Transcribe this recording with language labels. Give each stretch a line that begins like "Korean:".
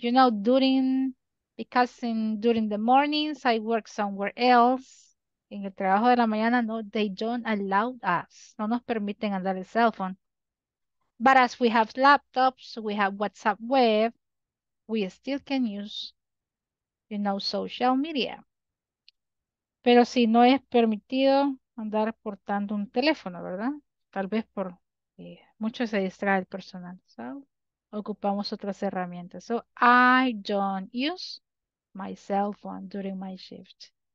English: You know, during the mornings, I work somewhere else.
Spanish: En el trabajo de la mañana, no,
English: they don't allow us.
Spanish: No nos permiten andar el cell phone.
English: But as we have laptops, we have WhatsApp web, we still can use, you know, social media.
Spanish: Pero si no es permitido andar portando un teléfono, ¿verdad? Tal vez por mucho se distrae el personal. So, ocupamos otras herramientas.
English: So, I don't use my cell phone during my shift.